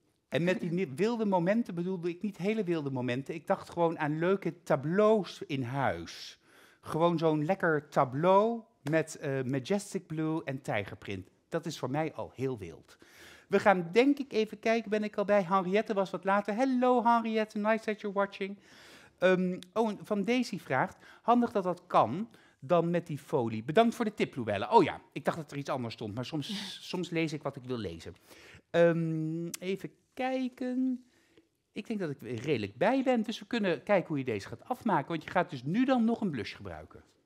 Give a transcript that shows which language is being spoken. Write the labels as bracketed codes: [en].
[nl] En met die wilde momenten bedoelde ik niet hele wilde momenten. Ik dacht gewoon aan leuke tableaus in huis. Gewoon zo'n lekker tableau met Majestic Blue en tijgerprint. Dat is voor mij al heel wild. We gaan denk ik even kijken, ben ik al bij. Henriette was wat later. [en] Hello Henriette, nice that you're watching. [nl] Oh, Van Daisy vraagt, handig dat dat kan dan met die folie. Bedankt voor de tip, Luelle. Oh ja, ik dacht dat er iets anders stond, maar soms lees ik wat ik wil lezen. Even kijken. Ik denk dat ik redelijk bij ben, dus we kunnen kijken hoe je deze gaat afmaken. Want je gaat dus nu dan nog een blush gebruiken.